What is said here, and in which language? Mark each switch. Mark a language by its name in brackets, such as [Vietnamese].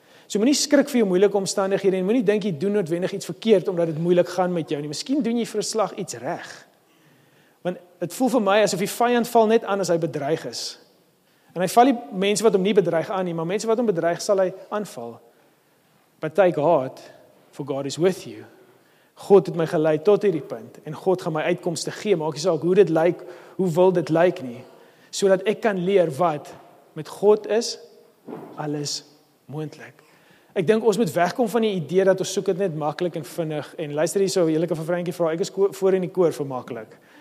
[Afrikaans] So moenie skrik vir jou moeilike omstandighede en moenie dink jy doen noodwendig iets verkeerd omdat dit moeilik gaan met jou nie. Miskien doen jy vir 'n slag iets reg. Want het voel vir my asof die vyand val net aan as hy bedreig is. En hy val die mense wat hom nie bedreig aan nie, maar mense wat hom bedreig sal hy aanval. [English] But take heart, for God is with you. [Afrikaans] God het my gelei tot hierdie punt en God gaan my uitkomste gee. Maak nie saak hoe dit lyk, hoe wil dit lyk nie. So dat ek kan leer wat met God is, alles moontlik. Ek dink ons moet wegkom van die idee dat ons soek het net maklik en vinnig. En luister hierso, julle kan vir Frankie vra, ek is voor in die koor vir maklik.